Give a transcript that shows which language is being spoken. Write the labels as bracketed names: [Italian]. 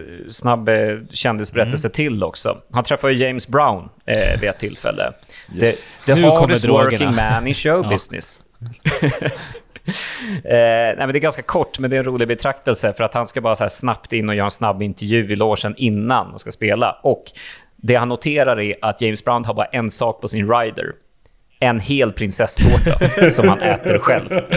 [Swedish] Snabb kändisberättelse till också. Han träffar ju James Brown vid ett tillfälle. [English] Yes. The hardest working man in show business. [Swedish] Nej, men det är ganska kort, men det är en rolig betraktelse, för att han ska bara så här snabbt in och göra en snabb intervju i logen innan han ska spela. Och det han noterar är att James Brown har bara en sak på sin rider, en hel prinsesstårta som han äter själv.